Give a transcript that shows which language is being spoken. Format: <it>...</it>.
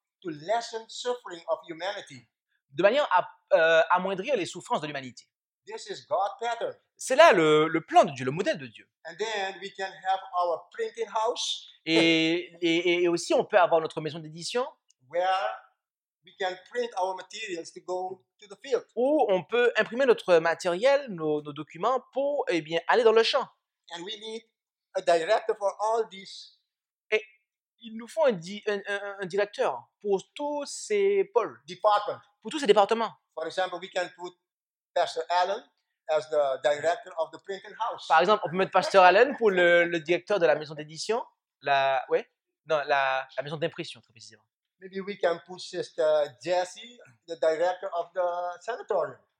<en>to lessen suffering of humanity,</en> <fr>de manière à amoindrir les souffrances de l'humanité.</fr> <en>This is God pattern.</en> <fr>C'est là le plan de Dieu, le modèle de Dieu.</fr> <en>And then we can have our printing house.</en> <fr>Et aussi on peut avoir notre maison d'édition,</fr> <en>where we can print our materials to go to the field.</en> <fr>Où on peut imprimer notre matériel, nos documents pour et bien aller dans le champ.</fr> <en>And we need a director for all this.</en> <fr>Et il nous faut un directeur pour tous ces pôles.</fr> <en>Department.</en> <fr>Pour tous ces départements.</fr> <en>For example, we can put Pastor Allen as the director of the printing house.</en> <fr>Par exemple, on peut mettre Pastor Allen pour le directeur de la maison d'édition, la maison d'impression très précisément.</fr> <en>Maybe we can put Sister Jessie, the director of the sanatorium.</en>